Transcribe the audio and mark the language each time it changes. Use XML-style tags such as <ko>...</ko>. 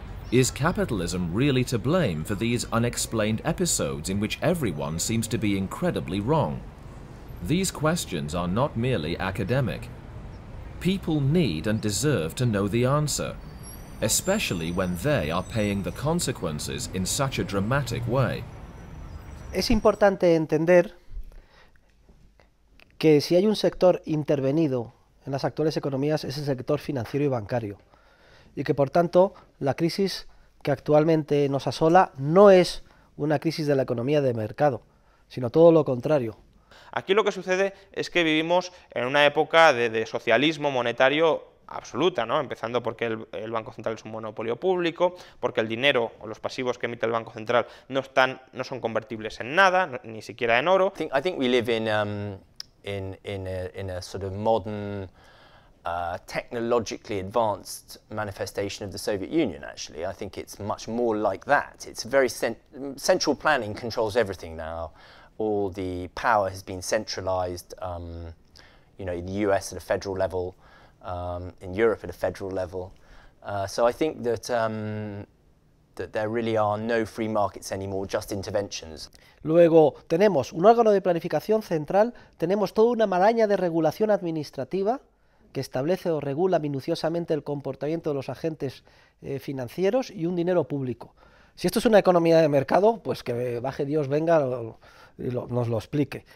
<en>Is capitalism really to blame for these unexplained episodes in which everyone seems to be incredibly wrong? These questions are not merely academic. People need and deserve to know the answer, especially when they are paying the consequences in such a dramatic way.</en> <es>Es importante entender que si hay un sector intervenido en las actuales economías es el sector financiero y bancario, y que por tanto la crisis que actualmente nos asola no es una crisis de la economía de mercado, sino todo lo contrario. Aquí lo que sucede es que vivimos en una época de socialismo monetario absoluta, ¿no? Empezando porque el Banco Central es un monopolio público, porque el dinero o los pasivos que emite el Banco Central no son convertibles en nada, ni siquiera en oro.</es> <en>I think we live in a sort of modern, technologically advanced manifestation of the Soviet Union, actually. I think it's much more like that. It's very central planning controls everything now. All the power has been centralized, you know, in the US at a federal level, in Europe at a federal level. So I think that, that there really are no free markets anymore, just interventions.</en> <es>Luego tenemos un órgano de planificación central, tenemos toda una maraña de regulación administrativa que establece o regula minuciosamente el comportamiento de los agentes financieros y un dinero público. Si esto es una economía de mercado, pues que baje Dios, venga y nos lo explique.</es>